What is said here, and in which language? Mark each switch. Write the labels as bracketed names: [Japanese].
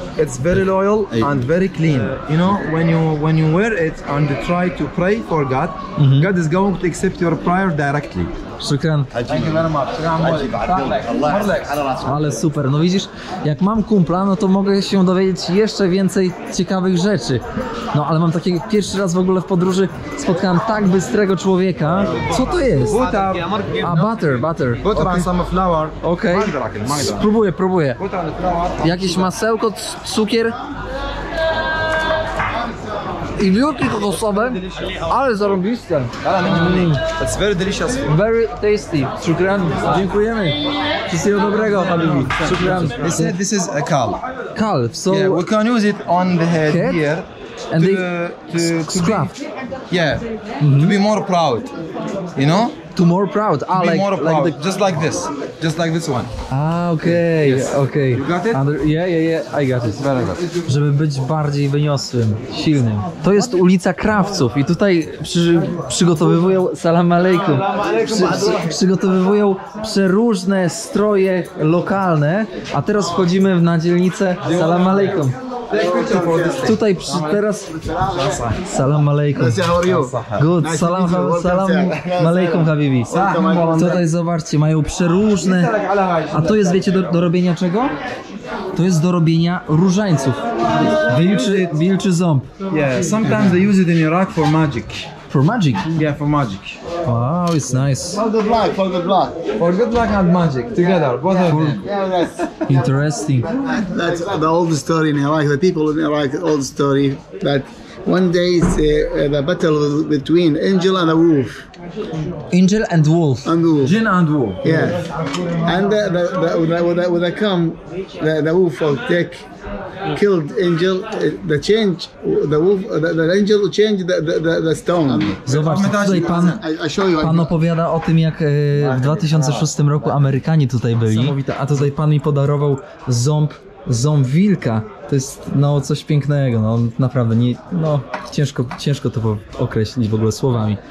[English] It's very loyal and very clean. You know, when you wear it and try to pray for God, God is going to accept your prayer directly. [Arabic] Shukran. [English] Thank you very much. [Polish] Ale super. No widzisz, jak mam kumpla, no to mogę się dowiedzieć jeszcze więcej ciekawych rzeczy. No ale mam takiego, pierwszy raz w ogóle w podróży spotkałem tak bystrego człowieka. Co to jest? [English] Butter. A butter. Butter and some flour. [Polish] Okej. Spróbuję. Jakieś masełko, cukier. i wielki kokosowym, ale zarobiste. [English] It's very delicious. Very tasty. Szukran. [Polish] Dziękujemy. Wszystkiego dobrego, habibi. [Arabic] Szukran. [English] They said this is a calf. Calf. So yeah, we can use it on the head here. And to scruff. Yeah. Mm-hmm. To be more proud. You know? To more proud. To be more proud. Like just like this. Just like this one. Ah, okay. Yes. Okay. You got it? Yeah, I got it. Very good. [Polish] Żeby być bardziej wyniosłym, silnym. To jest ulica krawców i tutaj przygotowywują salam aleikum. Przygotowywują przeróżne stroje lokalne, a teraz wchodzimy na dzielnicę salam aleikum. Tutaj przy, teraz salam aleikum. Good. Salam aleikum, habibi. Tutaj zobaczcie, mają przeróżne. A to jest, wiecie, do robienia czego? To jest do robienia różańców. Wilczy ząb. [English] Yeah, sometimes they use it in Iraq for magic. For magic? Yeah, for magic. Wow, it's nice. For good luck. For good luck and magic, together, both of them. Yes. Interesting. That's the old story in Iraq, the people in Iraq, old story, that one day it's the battle between angel and a wolf. Angel and wolf. And wolf. Jinn and wolf. Yeah. And the wolf will take, killed angel, the change, the wolf, the angel changed the stone. [Polish] Zobacz, tutaj pan opowiada o tym, jak w 2006 roku Amerykanie tutaj byli, a tutaj pan mi podarował ząb wilka. To jest no coś pięknego, no naprawdę nie, no ciężko to określić w ogóle słowami.